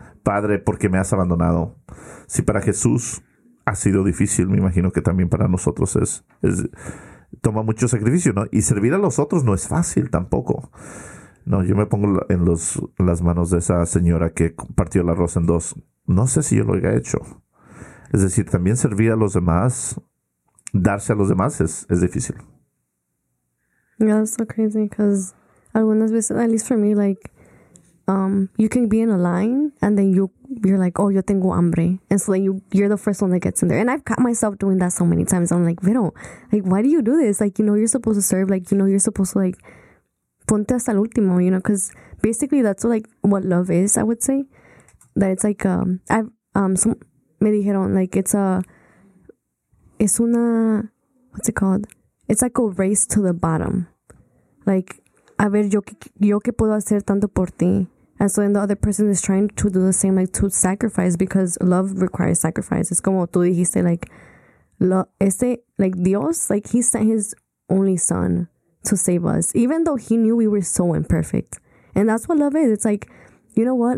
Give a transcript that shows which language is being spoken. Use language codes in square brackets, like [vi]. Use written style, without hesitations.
[es] Padre, ¿por qué me has abandonado? Si para Jesús ha sido difícil, me imagino que también para nosotros es toma mucho sacrificio, ¿no? Y servir a los otros no es fácil tampoco. No, yo me pongo en las manos de esa señora que partió el arroz en dos. No sé si yo lo haya hecho. Es decir, también servir a los demás darse a los demás es difícil. [en] Yeah, that's so crazy because [es] algunas veces, [en] at least for me, like, you can be in a line and then you're like, oh, [es] yo tengo hambre. [en] And so like, you're the first one that gets in there. And I've caught myself doing that so many times. I'm like, Vero, like, why do you do this? Like, you know, you're supposed to serve. Like, you know, you're supposed to, like, [es] ponte hasta el último, [en] you know, because basically that's like what love is, I would say. That it's like, [es] me dijeron, [en] like, it's like a race to the bottom. [es] Like, a ver, yo que puedo hacer tanto por ti. [en] And so then the other person is trying to do the same, like, to sacrifice, because love requires sacrifice. It's [es] como tú dijiste, [en] like, Dios, like, he sent his only son to save us, even though he knew we were so imperfect. And that's what love is. It's like, you know what?